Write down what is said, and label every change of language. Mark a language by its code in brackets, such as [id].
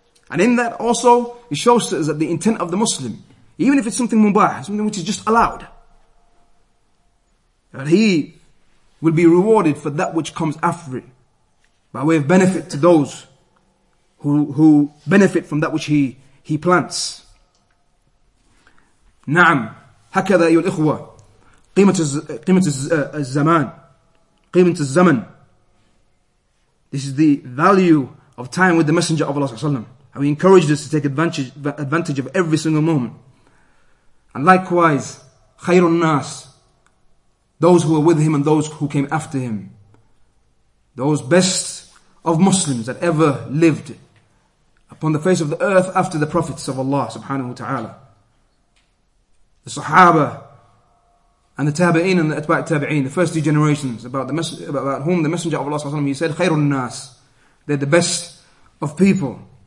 [en] And in that also, it shows us that the intent of the Muslim, even if it's something mubah, something which is just allowed, that he will be rewarded for that which comes after it, by way of benefit to those who benefit from that which he plants. [ar] Na'am. هكذا أيها الإخوة قيمة الزمان قيمة الزمن. [en] This is the value of time with the Messenger of Allah وسلم. And we encourage us to take advantage of every single moment. And likewise, خير الناس, those who were with him and those who came after him, those best of Muslims that ever lived upon the face of the earth after the prophets of Allah subhanahu wa ta'ala, the Sahaba and the Tabi'een and the Atba' Tabi'een, the first two generations about whom the Messenger of Allah he said, Khairun Nas, they're the best of people.